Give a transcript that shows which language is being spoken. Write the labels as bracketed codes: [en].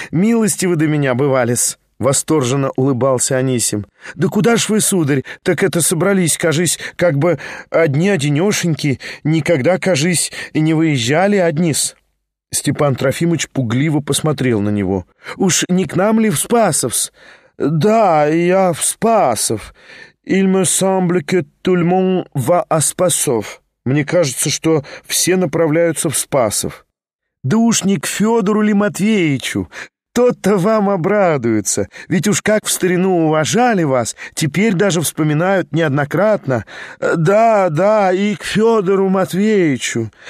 [ru] Милости вы до меня бывали-с», — восторженно улыбался Анисим. «Да куда ж вы, сударь, так это собрались, кажись, как бы одни-одинешеньки, никогда, кажись, не выезжали одни-с». Степан Трофимович пугливо посмотрел на него. «Уж не к нам ли в Спасов-с?» «Да, я в Спасов. [fr] Il me semble que tout le monde va à Spasov». [ru] «Мне кажется, что все направляются в Спасов». «Да уж не к Федору ли Матвеичу? Тот-то вам обрадуется. Ведь уж как в старину уважали вас, теперь даже вспоминают неоднократно. Да, да, и к Федору Матвеичу.